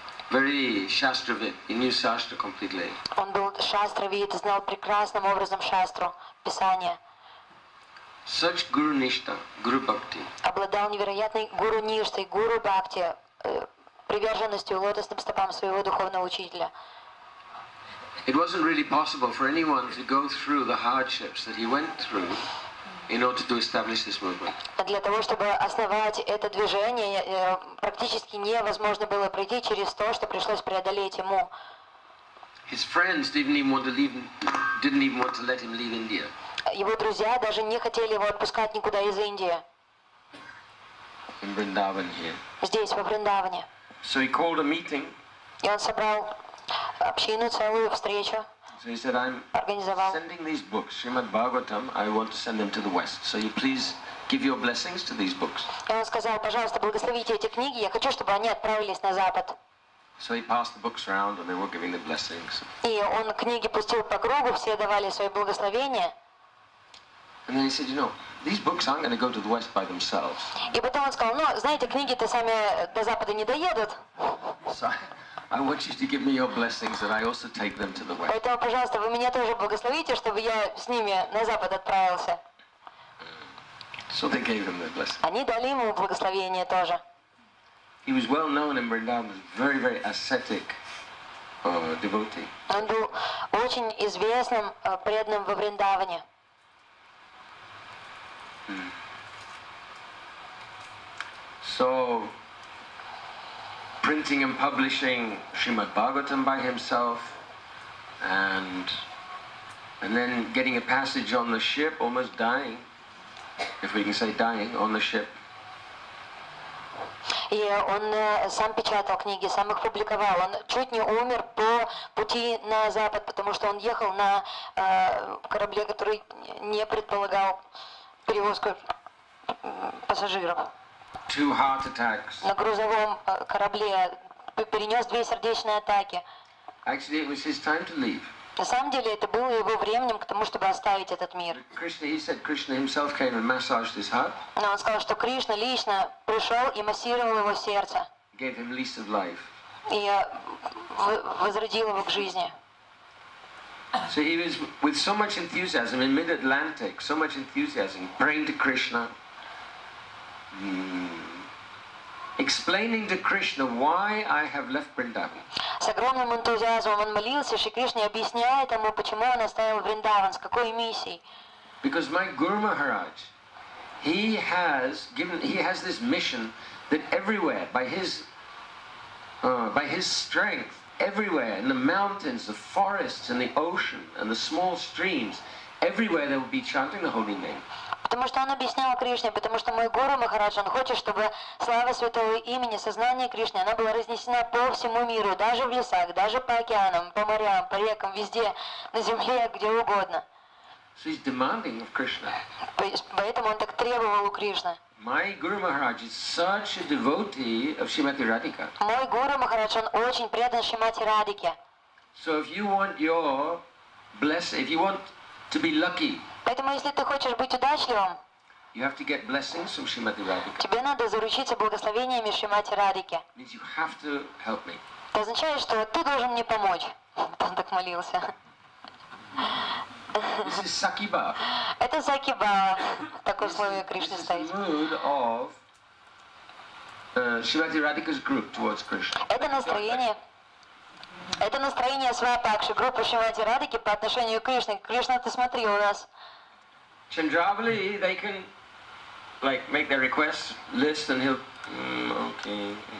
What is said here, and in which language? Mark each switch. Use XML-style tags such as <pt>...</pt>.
<en>Very shastravit. He knew shastra completely.</en> <ru>Он был шастравит, знал прекрасным образом шастру, писание.</ru> <en>Such guru nishtha, guru bhakti.</en> <ru>Обладал невероятной гуру ништой, гуру бхакти, приверженностью лотосным стопам своего духовного учителя.</ru> <en>It wasn't really possible for anyone to go through the hardships that he went through in order to establish this movement.</en> <ru>Для того, чтобы основать это движение, практически невозможно было пройти через то, что пришлось преодолеть ему.</ru> <en>His friends didn't even want to let him leave India.</en> <ru>Его друзья даже не хотели его отпускать никуда из Индии.</ru> <en>In Vrindavan here.</en> <ru>Здесь, во Вриндаване.</ru> <en>So he called a meeting.</en> <ru>И он собрал Общину целую встречу.</ru> <en>So he said, I'm sending these books, Srimad Bhagavatam, I want to send them to the West. So you please give your blessings to these books.</en> <ru>И он сказал, пожалуйста, благословите эти книги, я хочу, чтобы они отправились на Запад.</ru> <en>So he passed the books around and they were giving the blessings.</en> <ru>И он книги пустил по кругу, все давали свои благословения.</ru> <en>And then he said, you know, these books aren't going to go to the West by themselves.</en> <ru>И потом он сказал, ну, знаете, книги-то сами до Запада не доедут.</ru> <en>I want you to give me your blessings that I also take them to the West.</en> <ru>Поэтому, пожалуйста, вы меня тоже благословите, чтобы я с ними на Запад отправился.</ru> <en>So they gave him their blessings.</en> <ru>Они дали ему благословение тоже.</ru> <en>He was well known in Vrindavan as very, very ascetic devotee.</en> <ru>Он был очень известным преданным во Вриндаване.</ru> <en>So printing and publishing Srimad Bhagavatam by himself and then getting a passage on the ship, almost dying, if we can say dying, on the ship.</en> <ru>И он сам печатал книги, сам их публиковал. Он чуть не умер по пути на Запад, потому что он ехал на корабле, который не предполагал перевозку пассажиров.</ru> <en>Two heart attacks.</en> <ru>На грузовом корабле перенес две сердечные атаки.</ru> <en>Actually, it was his time to leave.</en> <ru>На самом деле, это было его временем к тому, чтобы оставить этот мир.</ru> <en>Krishna, he said Krishna himself came and massaged his heart.</en> <ru>Но он сказал, что Кришна лично пришел и массировал его сердце.</ru> <en>Gave him lease of life.</en> <ru>И возродил его к жизни.</ru> <en>So he was with so much enthusiasm in mid-Atlantic, so much enthusiasm, praying to Krishna. Explaining to Krishna why I have left Vrindavan.</en> <ru>С огромным энтузиазмом он молился, Шри Кришна объясняет ему, почему он оставил Вриндаван, с какой миссией.</ru> <en>Because my Guru Maharaj, he has this mission that everywhere, by his strength, everywhere in the mountains, the forests, and the ocean, and the small streams, everywhere they will be chanting the holy name.</en> <ru>Потому что он объяснял Кришне, потому что мой Гуру Махарадж, он хочет, чтобы слава Святого Имени, сознание Кришны, она была разнесена по всему миру, даже в лесах, даже по океанам, по морям, по рекам, везде, на земле, где угодно.</ru> <en>So he's demanding of Krishna.</en> <ru>Поэтому он так требовал у Кришны.</ru> <en>My Guru Maharaj is such a devotee of Shrimati Radhika.</en> <ru>Мой Гуру Махарадж, он очень предан Шримати Радике.</ru> <en>So if you want your blessing, if you want to be lucky,</en> <ru>поэтому, если ты хочешь быть удачливым,</ru> <en>you have to get blessings from Shrimati Radhika.</en> <ru>Тебе надо заручиться благословениями Шримати Радики.</ru> <en>Means you have to help me.</en> <ru>Это означает, что ты должен мне помочь. Он так молился.</ru> <en>This is Sakiba.</en> <ru>Это Сакиба. Такое условие Кришны стоит.</ru> <en>This is the mood of Shrimati Radhika's group towards Krishna.</en> <ru>Это настроение Свапакши, группы Шримати Радики по отношению к Кришне. Кришна, ты смотри у нас.</ru> <en>Chandravali, they can like make their request list and he'll okay.</en>